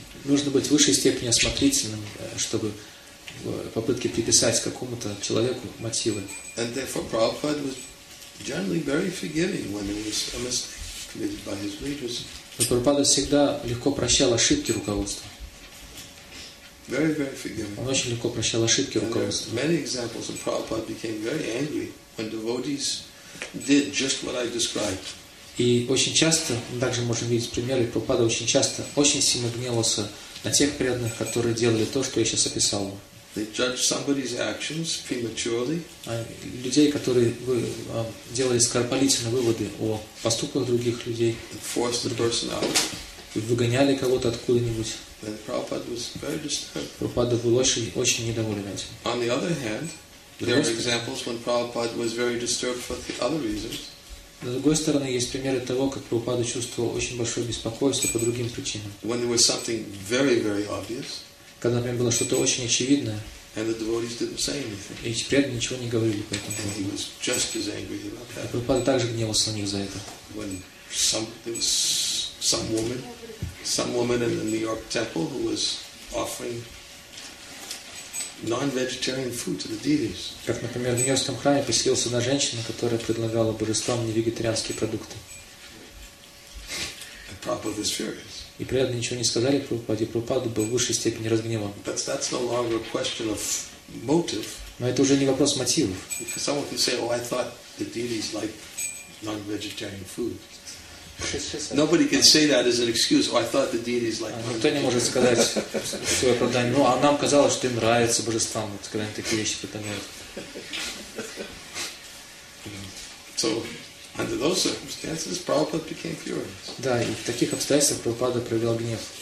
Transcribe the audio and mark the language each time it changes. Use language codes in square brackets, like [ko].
[ru] Нужно быть в высшей степени осмотрительным, чтобы попытки приписать какому-то человеку мотивы. [en] And therefore, Prabhupada was generally very forgiving when there was a mistake committed by his leaders. [ru] Прабхупада всегда легко прощал ошибки руководства. [en] Very, very forgiving. [ru] Он очень легко прощал ошибки руководства. [en] Many examples of Prabhupada became very angry when devotees did just what I described. [ru] И очень часто, мы также можем видеть примеры, Прабхупада очень часто, очень сильно гневался на тех преданных, которые делали то, что я сейчас описал. [en] They judge somebody's actions prematurely. [ru] Людей, которые делали скоропалительные выводы о поступках других людей. [en] And forced the person out. [ru] И выгоняли кого-то откуда-нибудь. [en] And Prabhupada was very disturbed. [ru] Прабхупада был очень недоволен этим. [en] On the other hand, there are examples when Prabhupada was very disturbed for the other reasons. [ru] На другой стороне есть примеры того, как Прабхупада чувствовал очень большое беспокойство по другим причинам. [en] When there was something very, very obvious. [ru] Когда, например, было что-то очень очевидное. [en] And the devotees didn't say anything. [ru] И преданные ничего не говорили по этому поводу. [en] He was just as angry about that. [ru] Прабхупада также гневался на них за это. [en] When some woman in the New York temple who was offering non-vegetarian food to the deities. [ru] Как, например, в Нью-Йоркском храме поселилась одна женщина, которая предлагала божествам невегетарианские продукты. [en] And Prabhupada was furious. [ru] И преданные ничего не сказали Прабхупаде, и Прабхупада был в высшей степени разгневан. [en] But that's no longer a question of motive. [ru] Но это уже не вопрос мотивов. [en] Because someone can say, I thought the deities like non-vegetarian food. Nobody can say that as an excuse. Oh, I thought the deities like. [ru] Никто не может сказать свое оправдание. Ну, а нам казалось, что им нравится божествам, вот когда они такие вещи предлагают. [en] So, under those circumstances, Prabhupada became furious. [ru] Да, и в таких обстоятельствах Прабхупада проявил гнев.